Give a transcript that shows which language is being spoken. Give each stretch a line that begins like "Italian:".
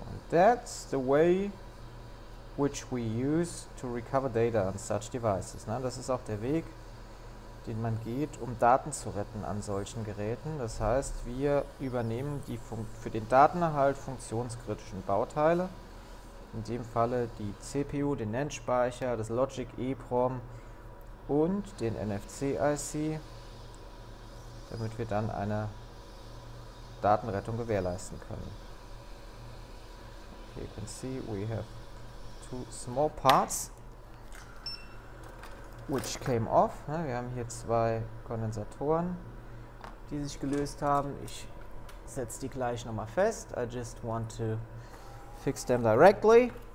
English: That's the way which we use to recover data on such devices.
German: Ne? Das ist auch der Weg, den man geht, um Daten zu retten an solchen Geräten. Das heißt, wir übernehmen die für den Datenerhalt funktionskritischen Bauteile. In dem Falle die CPU, den NAND-Speicher, das Logic EEPROM und den NFC-IC, damit wir dann eine Datenrettung gewährleisten können.
English: You can see we have two small parts which came off.
German: Wir haben hier zwei Kondensatoren, die sich gelöst haben. Ich setze die gleich nochmal fest.
English: I just want to fix them directly.